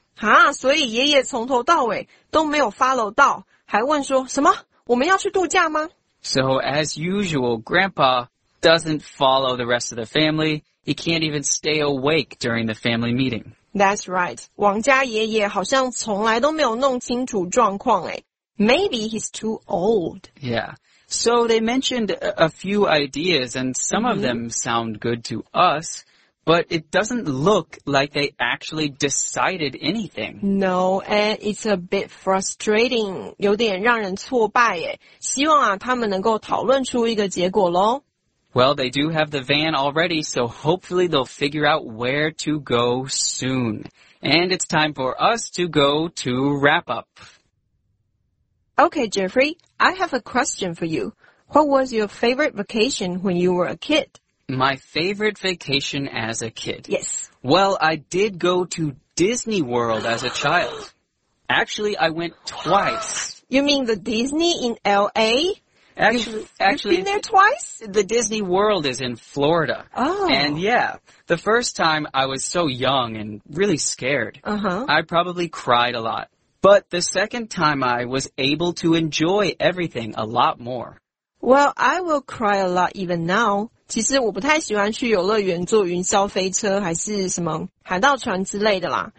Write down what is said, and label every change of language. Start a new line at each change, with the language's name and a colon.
Chinese: 啊，所以爷爷从头到尾都没有 follow 到，还问说，什么？我们要去度假吗？
English: So as usual, Grandpa doesn't follow the rest of the family. He can't even stay awake during the family meeting. That's right.
Chinese: 王家爷爷好像从来都没有弄清楚状况诶。
English: Maybe he's too old. Yeah. So they mentioned a few ideas and some of them sound good to us, but it doesn't look like they actually decided anything. No, and it's a bit frustrating.
Chinese: 有点让人挫败耶。希望啊他们能够讨论出一个结果咯。
English: Well, they do have the van already, so hopefully they'll figure out where to go soon. And it's time for us to go to wrap up. Okay, Jeffrey, I have a question for you. What was your favorite vacation when you were a kid? My favorite vacation as a kid? Yes. Well, I did go to Disney World as a child. Actually, I went twice. You mean the Disney in L.A.? You've been there twice? The Disney World is in Florida. Oh. And yeah, the first time I was so young and really scared. Uh-huh. I probably cried a lot. But the second time I was able to enjoy everything a lot more. Well, I will cry a lot even now.
Chinese: 其实我不太喜欢去游乐园坐云霄飞车还是什么海盗船之类的啦。